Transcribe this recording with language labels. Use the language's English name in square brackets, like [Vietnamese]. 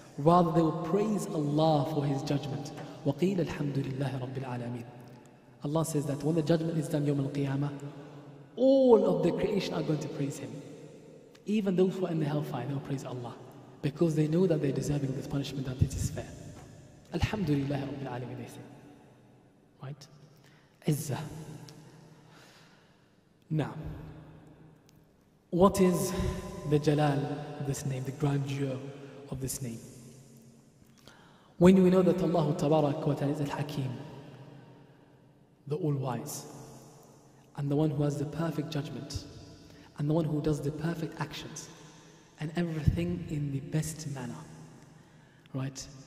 [English] Rather, they will praise Allah for His judgment. [Arabic] وَقِيلَ الْحَمْدُ لِلَّهِ رَبِّ الْعَالَمِينَ. [English] Allah says that when the judgment is done, Yawm al-Qiyamah, all of the creation are going to praise Him. Even those who are in the hellfire, they will praise Allah, because they know that they're deserving of this punishment, that it is fair. [Arabic] الْحَمْدُ لِلَّهِ رَبِّ الْعَالَمِينَ, [English] they say. Right? عِزَّة. Now, what is the Jalal of this name, the grandeur of this name? When we know that Allah Tabarak wa Ta'ala is Al-Hakim, the All-Wise, and the one who has the perfect judgment, and the one who does the perfect actions, and everything in the best manner, right?